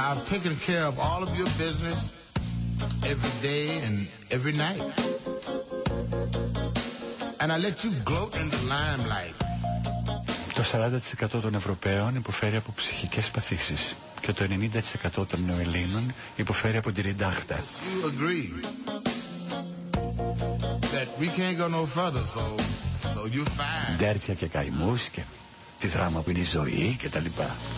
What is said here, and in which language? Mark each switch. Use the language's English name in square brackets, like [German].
[English] Taking care of all of your business every day and every night. And I let you gloat in the limelight. [Greek] Το 40% των Ευρωπαίων υποφέρει από ψυχικές παθήσεις και το 90% των Νεοελλήνων υποφέρει από τη ριντάχτα. [English] You agree that we can't go no further, so you fine. [Greek] Ντέρτια και καημούς και τη δράμα που είναι η ζωή και τα λοιπά.